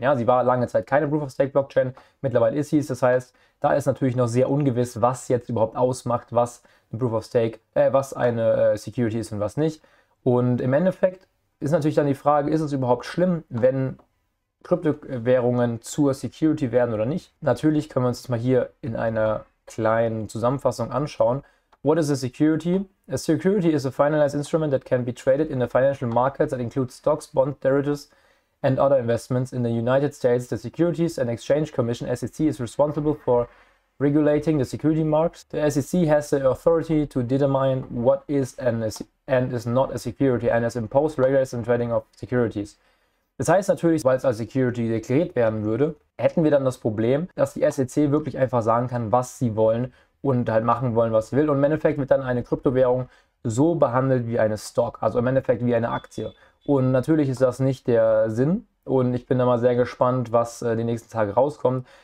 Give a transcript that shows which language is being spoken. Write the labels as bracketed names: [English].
[German] Ja, sie war lange Zeit keine Proof-of-Stake-Blockchain, mittlerweile ist sie es. Das heißt, da ist natürlich noch sehr ungewiss, was jetzt überhaupt ausmacht, was Security ist und was nicht. Und im Endeffekt ist natürlich dann die Frage, ist es überhaupt schlimm, wenn Kryptowährungen zur Security werden oder nicht? Natürlich können wir uns das mal hier in einer kleinen Zusammenfassung anschauen. [English] What is a security? A security is a finalized instrument that can be traded in the financial markets that includes stocks, bonds, derivatives and other investments in the United States. The Securities and Exchange Commission, SEC, is responsible for regulating the security markets. The SEC has the authority to determine what is and is not a security and has imposed regulations on trading of securities. [German] Das heißt natürlich, weil es als Security deklariert werden würde, hätten wir dann das Problem, dass die SEC wirklich einfach sagen kann, was sie wollen und halt machen wollen, was sie will. Und im Endeffekt wird dann eine Kryptowährung so behandelt wie eine Stock, also im Endeffekt wie eine Aktie. Und natürlich ist das nicht der Sinn. Und ich bin da mal sehr gespannt, was die nächsten Tage rauskommt.